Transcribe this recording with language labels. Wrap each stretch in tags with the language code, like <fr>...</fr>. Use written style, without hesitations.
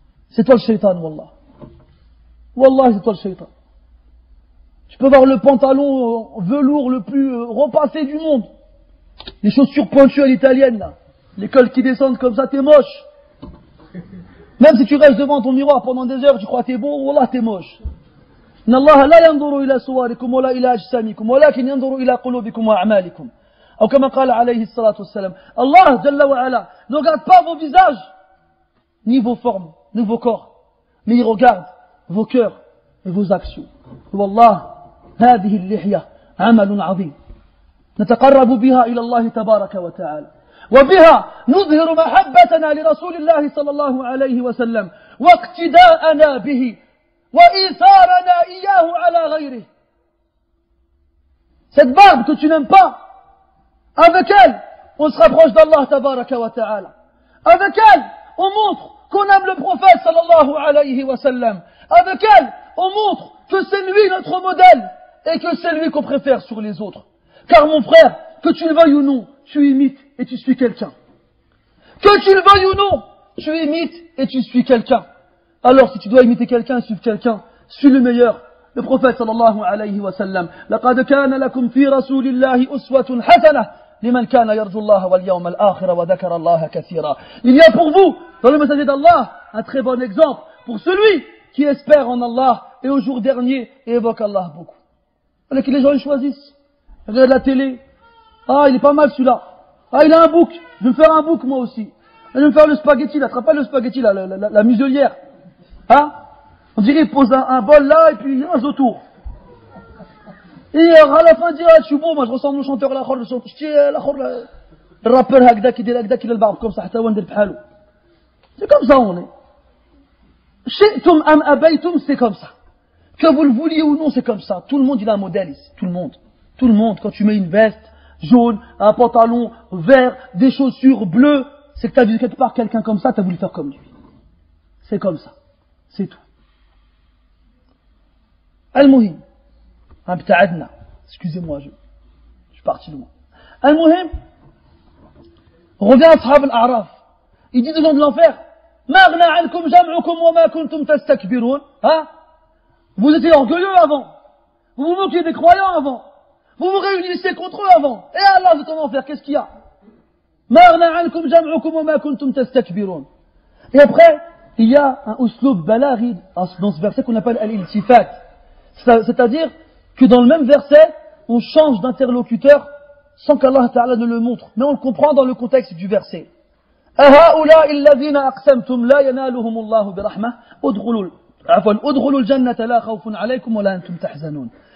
<fr>C'est toi le shaitan, wallah. Wallah, c'est toi le shaitan. Tu peux avoir le pantalon velours le plus repassé du monde. Les chaussures pointues à l'italienne, là. Les cols qui descendent comme ça, t'es moche. Même si tu restes devant ton miroir pendant des heures, tu crois que t'es beau, wallah, t'es moche.</fr> <ar>إن الله لا ينظر إلى صوركم ولا إلى أجسامكم ولكن ينظر إلى قلوبكم وأعمالكم أو كما قال عليه الصلاة والسلام الله جل وعلا</ar> <fr>ne regarde pas vos visages ni vos formes ni vos corps mais il regarde vos cœurs et vos actions.</fr> <ar>والله هذه اللحية عمل عظيم نتقرب بها إلى الله تبارك وتعالى وبها نظهر محبتنا لرسول الله صلى الله عليه وسلم واقتداءنا به وَإِثَارَنَا إِيَّاهُ عَلَى غَيْرِهِ.</ar> <fr>Cette barbe que tu n'aimes pas, Avec elle, on se rapproche d'Allah tabaraka wa ta'ala. Avec elle, on montre qu'on aime le prophète sallallahu alayhi wa sallam. Avec elle, on montre que c'est lui notre modèle et que c'est lui qu'on préfère sur les autres. Car mon frère, que tu le veuilles ou non, tu imites et tu suis quelqu'un. Que tu le veuilles ou non, tu imites et tu suis quelqu'un. Alors si tu dois imiter quelqu'un et suivre quelqu'un, suis le meilleur. Le prophète sallallahu alayhi wa sallam.</fr> <ar>لقد كان لكم في رسول الله أسوة حسنة لمن كان يرجو الله واليوم الآخر وذكر الله كثيرا.</ar> <fr>Il y a pour vous, dans le messager d'Allah, un très bon exemple pour celui qui espère en Allah et au jour dernier et évoque Allah beaucoup. Alors que les gens choisissent. Regarde la télé. Ah, il est pas mal celui-là. Ah, il a un bouc. Je vais me faire un bouc moi aussi. Je vais me faire le spaghetti. Là, attrape pas le spaghetti, là, la muselière. Hein? On dirait qu'il pose un bol là et puis il rase autour. Et alors à la fin, il dit, ah, je suis beau, moi je ressemble au chanteur là, je suis là, le rappeur là, qui dit là, qui le barbe comme ça, c'est comme ça on est.</fr> <ar>Chintum am abaytum,</ar> <fr>c'est comme ça. Que vous le vouliez ou non, c'est comme ça. Tout le monde, il a un modèle ici, tout le monde. Tout le monde, quand tu mets une veste jaune, un pantalon vert, des chaussures bleues, c'est que tu as vu quelque part quelqu'un comme ça, tu as voulu faire comme lui. C'est comme ça. C'est tout.</fr> <ar>المهم ابتعدنا</ar> <fr>excusez-moi je suis parti loin.</fr> <ar>المهم revient اصحاب الاعراف</ar> <fr>il dit des gens de l'enfer</fr> <ar>ما اغنى عنكم جمعكم وما كنتم تستكبرون.</ar> <fr>Vous étiez orgueilleux avant, vous vous moquiez des croyants avant, vous vous réunissiez contre eux avant, et Allah de ton enfer, qu'est-ce qu'il y a?</fr> <ar>ما اغنى عنكم جمعكم وما كنتم تستكبرون.</ar> <fr>Et après il y a un uslub balaghi dans ce verset qu'on appelle al-iltifat. C'est-à-dire que dans le même verset, on change d'interlocuteur sans qu'Allah Ta'ala ne le montre. Mais on le comprend dans le contexte du verset.</fr> <ar>أَهَاؤُلَاءِ الَّذِينَ أَقْسَمْتُمْ لَا يَنَالُهُمُ اللَّهُ بِرَحْمَةٍ أُدْخُلُوا الْجَنَّةَ لَا خَوْفٌ عَلَيْكُمْ وَلَا أَنْتُمْ تَحْزَنُونَ.</ar>